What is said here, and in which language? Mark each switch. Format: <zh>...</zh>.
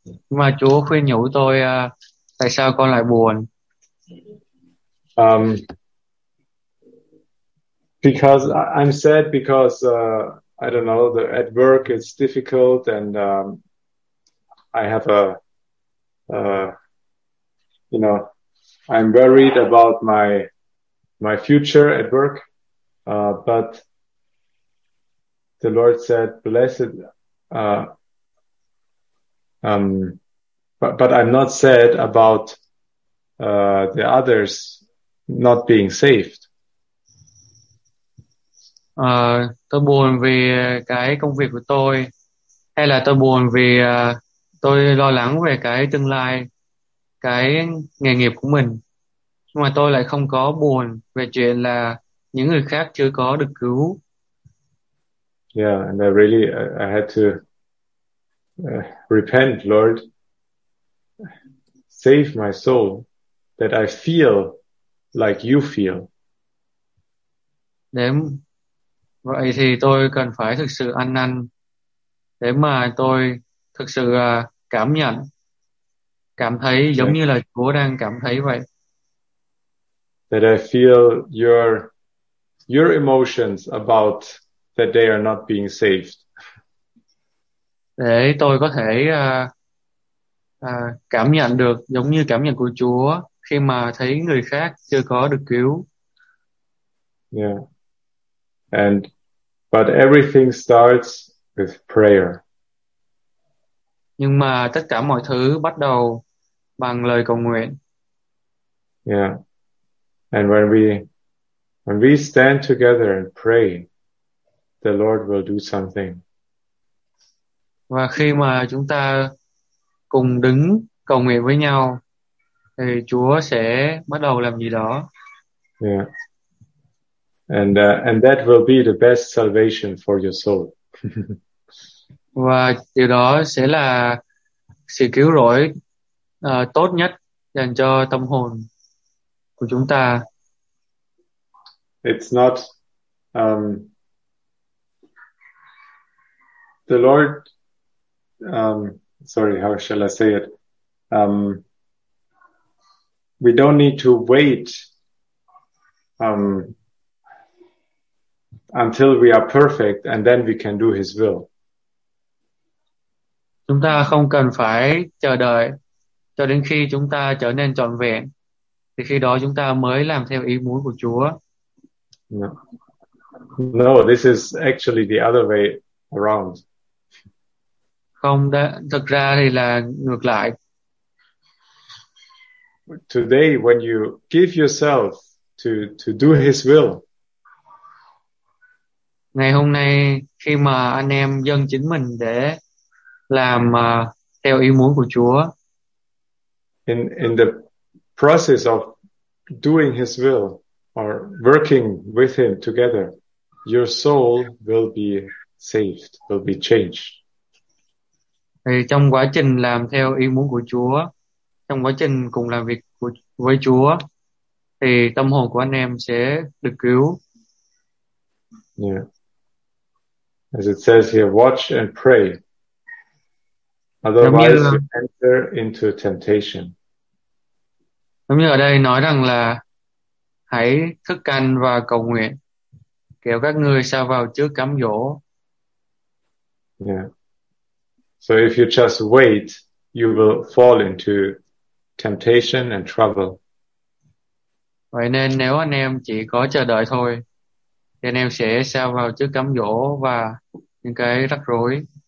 <vi>Mà Chúa khuyên nhủ tôi tại sao con lại buồn?</vi> <en>Because I'm sad because I don't know, the at work it's difficult, and I have a you know, I'm worried about my future at work. But the Lord said, blessed, but I'm not sad about the others not being saved.</en> <vi>Tôi buồn vì cái công việc của tôi, hay là tôi buồn vì tôi lo lắng về cái tương lai, cái nghề nghiệp của mình. Nhưng mà tôi lại không có buồn về chuyện là những người khác chưa có được cứu.</vi> <en>Yeah, and I really I had to repent, Lord, save my soul, that I feel like you feel.</en> <vi>Để vậy thì tôi cần phải thực sự ăn năn để mà tôi thực sự cảm nhận, cảm thấy giống như là Chúa đang cảm thấy vậy.</vi> <en>That I feel your emotions about that they are not being saved.</en> <vi>Để tôi có thể cảm nhận được giống như cảm nhận của Chúa khi mà thấy người khác chưa có được cứu.</vi> <en>Yeah. And but everything starts with prayer.</en> <vi>Nhưng mà tất cả mọi thứ bắt đầu bằng lời cầu nguyện.</vi> <en>Yeah. And when we stand together and pray, the Lord will do something.</en> <vi>Và khi mà chúng ta cùng đứng cầu nguyện với nhau, thì Chúa sẽ bắt đầu làm gì đó.</vi> <en>Yeah. And that will be the best salvation for your soul.</en> <vi>Và điều đó sẽ là sự cứu rỗi tốt nhất dành cho tâm hồn của chúng ta.</vi> <en>It's not the Lord sorry, how shall I say it? We don't need to wait until we are perfect and then we can do his will.</en> <vi>Chúng ta không cần phải chờ đợi cho đến khi chúng ta trở nên trọn vẹn, thì khi đó chúng ta mới làm theo ý muốn của Chúa.</vi> <en>No, this is actually the other way around.</en> <vi>Không, thực ra thì là ngược lại.</vi> <en>Today, when you give yourself to do his will,</en> <vi>ngày hôm nay khi mà anh em dâng chính mình để làm theo ý muốn của Chúa,</vi> <en>in the process of doing his will or working with him together, your soul will be saved, will be changed.</en> <vi>Thì trong quá trình làm theo ý muốn của Chúa, trong quá trình cùng làm việc với Chúa, thì tâm hồn của anh em sẽ được cứu.</vi> <en>Yeah. As it says here, watch and pray. Otherwise, you enter into temptation.</en> <vi>Giống như ở đây nói rằng là hãy thức canh và cầu nguyện, kẻo các ngươi sa vào trước cám dỗ.</vi> <en>Yeah. So if you just wait, you will fall into temptation and trouble.</en> <vi>Vậy nên nếu anh em chỉ có chờ đợi thôi, thì anh em sẽ sa vào trước cám dỗ và những cái rắc rối.</vi>